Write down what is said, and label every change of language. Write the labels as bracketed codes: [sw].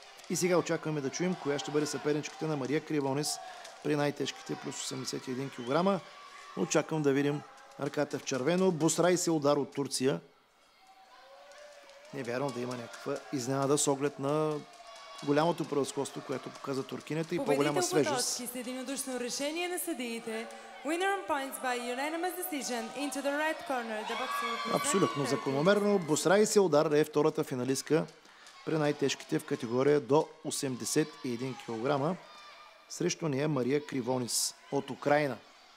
[bg] И сега очакваме да чуем коя ще бъде съперничката на Мария Кривонис при най-тежките плюс 81 кг. Очаквам да видим ръката в червено. Бусрай се удар от Турция. Не вярвам да има някаква изненада с оглед на голямото превъзходство, което показа туркинята и по-голяма свежест. Победител по точки с единодушно решение на съдиите. [en] Winner on points by unanimous decision into the red corner. The boxer. [bg] Абсолютно закономерно. Бусрай Селдар е втората финалистка при най-тежките в категория до 81 кг. Срещу нея Мария Кривонис от Украина.